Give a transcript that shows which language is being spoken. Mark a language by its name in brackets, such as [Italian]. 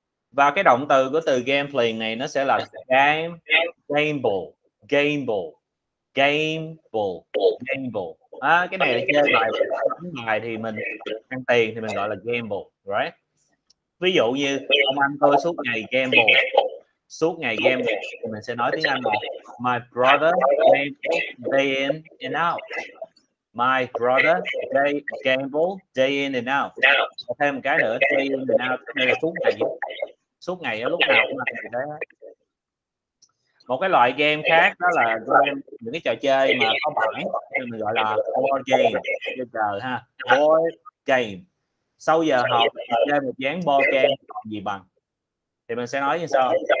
[Vietnamese] Và cái động từ của từ gambling này nó sẽ là game, gamble, gamble, gamble, gamble. À, cái này là chơi bài, đánh bài thì mình ăn tiền thì mình gọi là gamble, right? Ví dụ như ông anh tôi suốt ngày gamble, suốt ngày gamble, thì mình sẽ nói tiếng Anh là [English] my brother gamble day in and out. My brother day gamble day in and out. [Vietnamese] Và thêm một cái nữa, [English] day in and out, [Vietnamese] đây là suốt ngày. Suốt ngày ở lúc nào cũng là đấy. Một cái loại game khác đó là game, những cái trò chơi mà có bảng thì mình gọi là board game. Bây giờ ha, board game. Sau giờ học chơi một dáng board game gì bằng? Thì mình sẽ nói như sau.